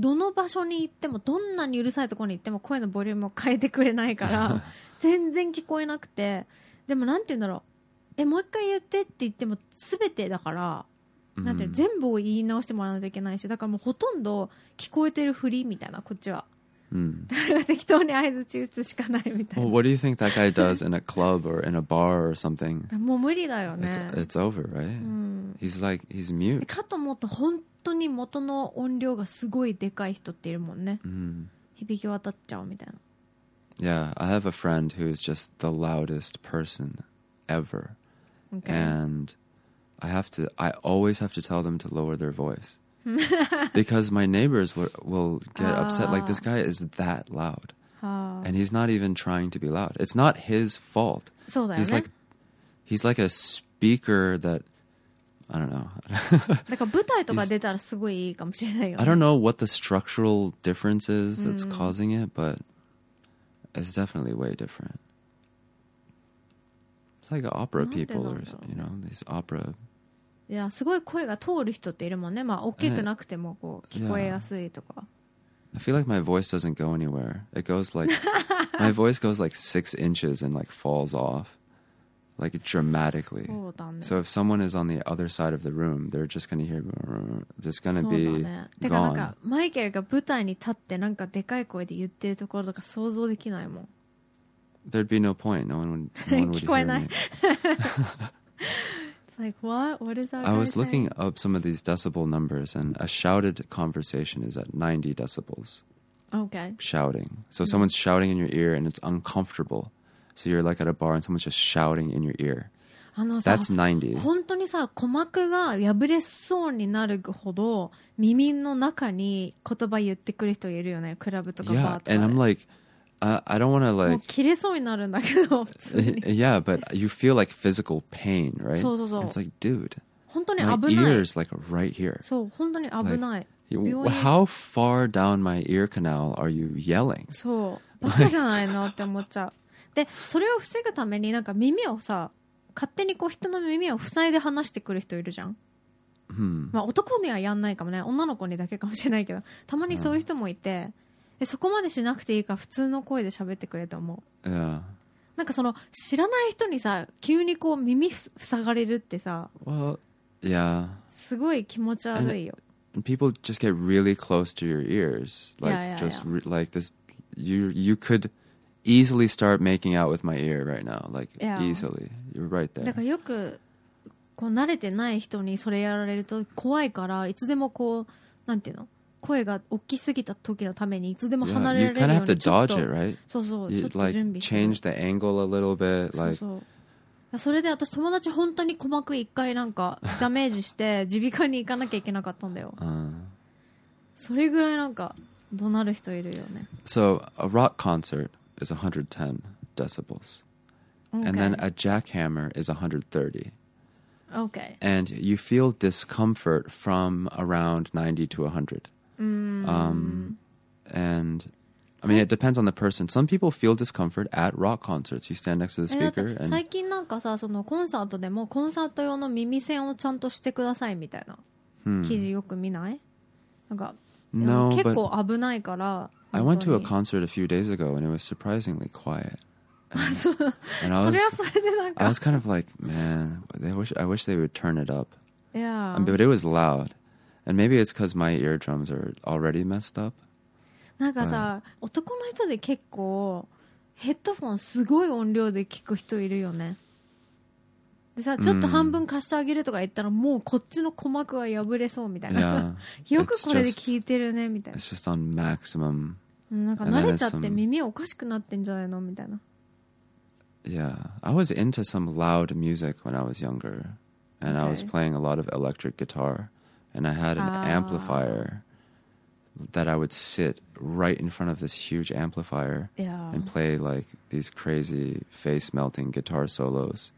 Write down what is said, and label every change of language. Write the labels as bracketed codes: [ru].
[ja] どの場所に行ってもどんなにうるさいところに行っても声のボリュームを変えてくれないから全然聞こえなくて、でもなんて言うんだろう、え、もう一回言ってって言っても全てだから、mm. なんて言う、全部を言い直してもらわないといけないし、だからもうほとんど聞こえてるふりみたいな、こっちは、 mm. 誰が適当に合図打つしかないみたいな。 [en] Well, what do you think that guy does in a club or in a bar or something? [ja] もう無理だよね。 [en] It's over, right? He's like, he's mute. [ja] かと思うと本当本当に元の音量がすごいでかい人っているもんね。 Mm. 響き渡っちゃうみたいな。 [en] Yeah, I have a friend who is just the loudest person ever. Okay. And I always have to tell them to lower their voice. Because my neighbors will get upset. Like, this guy is that loud. And he's not even trying to be loud. It's not his fault. [ja] そうだよね。 [en] He's like a speaker that... I don't know. [ja] だから舞台とか出たらすごいいいかもしれないよね。 [en] I don't know what the structural difference is that's causing it, but it's definitely way different. It's like opera people or, you know, these opera... [ja] いや、すごい声が通る人っているもんね。まあ、大きくなくてもこう聞こえやすいとか。 [en] I feel like my voice doesn't go anywhere. It goes like... my voice goes like 6 inches and like falls off. Like dramatically. So if someone is on the other side of the room, they're just going to hear, just going to be gone. [ja] マイケルが舞台に立ってなんかでかい声で言ってるところとか想像できないもん。 [en] There'd be no point. No one would hear me. [ja] 聞こえない。 [en] It's like, what? What is that guy saying? I was looking up some of these decibel numbers, and a shouted conversation is at 90 decibels. Okay. Shouting. So someone's shouting in your ear, and it's uncomfortable. So you're like at a bar and someone's just shouting in your ear. That's 90. [ja] 本当にさ、鼓膜が破れそうになるほど耳の中に言葉言ってくる人いるよね、クラブとかバーとか。 [en] Yeah, and I'm like, I don't want to like... [ja] もう切れそうになるんだけど、普通に。 [en] Yeah, but you feel like physical pain, right? [ja] そうそうそう。 [en] It's like, dude, [ja] 本当に危ない。 [en] My ear is like right here. [ja] そう、本当に危ない。 [en] Like, how far down my ear canal are you yelling? [ja] そう、バカじゃないのって思っちゃう。でそれを防ぐためになんか耳をさ勝手にこう人の耳を塞いで話してくる人いるじゃん、 hmm. まあ男にはやんないかもね、女の子にだけかもしれないけど、たまにそういう人もいて、でそこまでしなくていいか普通の声で喋ってくれと思う、 [en] yeah. [ja] なんかその知らない人にさ急にこう耳塞がれるってさ、 [en] well, yeah. [ja] すごい気持ち悪いよ。 [en] And people just get really close to your ears like, yeah, yeah, yeah. Just like this, you couldEasily start making out with my ear right now. Like, yeah. Easily. You're right there. [ja] だからよくこう慣れてない人にそれやられると怖いから、いつでもこうなんていうの、声が大きすぎた時のためにいつでも離れられるように、 [en] yeah. You kind of have to dodge it, right? [ja] そうそう、ちょっと準備する。 [en] Like, change the angle a little bit. Like, [ja] それで私友達本当に鼓膜一回なんかダメージして耳鼻科に行かなきゃいけなかったんだよ。それぐらいなんか怒鳴る人いるよね。 [en] So, a rock concertis 110 decibels. Okay. And then a jackhammer is 130. Okay. And you feel discomfort from around 90 to 100. Mm. And, I mean, it depends on the person. Some people feel discomfort at rock concerts. You stand next to the speaker and... [ja] 最近なんかさ、そのコンサートでもコンサート用の耳栓をちゃんとしてくださいみたいな、 hmm. 記事よく見ない？なんか、 [en] no, [ja] 結構危ないから、 [en] I went to a concert a few days ago and it was surprisingly quiet. And I was kind of like, man, I wish they would turn it up. Yeah. But it was loud. And maybe it's because my eardrums are already messed up. [ja] なんかさ、男の人で結構ヘッドフォンすごい音量で聞く人いるよね。でさ、ちょっと半分貸してあげるとか言ったら、もうこっちの鼓膜は破れそうみたいな。よくこれで聞いてるねみたいな。 [en] It's just on maximum. [ja] なんか慣れちゃって耳おかしくなってんじゃないのみたいな。 [en] Yeah, I was into some loud music when I was younger, and I was playing a lot of electric guitar. And I had an amplifier that I would sit right in front of this huge amplifier and play like these crazy face melting guitar solos.